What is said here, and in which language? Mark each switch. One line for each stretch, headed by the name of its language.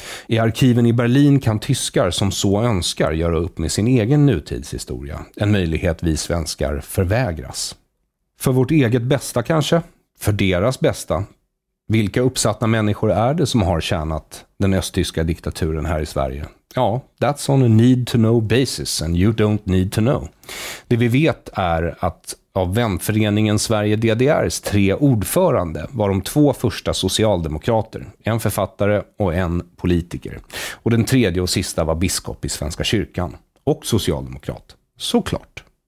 Swedish: I arkiven i Berlin kan tyskar som så önskar göra upp med sin egen nutidshistoria, en möjlighet vi svenskar förvägras. För vårt eget bästa kanske? För deras bästa? Vilka uppsatta människor är det som har tjänat den östtyska diktaturen här i Sverige?
English: Ja, that's on a need to know basis and you don't need to know.
Swedish: Det vi vet är att av vänföreningen Sverige DDRs tre ordförande var de två första socialdemokrater, en författare och en politiker. Och den tredje och sista var biskop i Svenska kyrkan och socialdemokrat, såklart.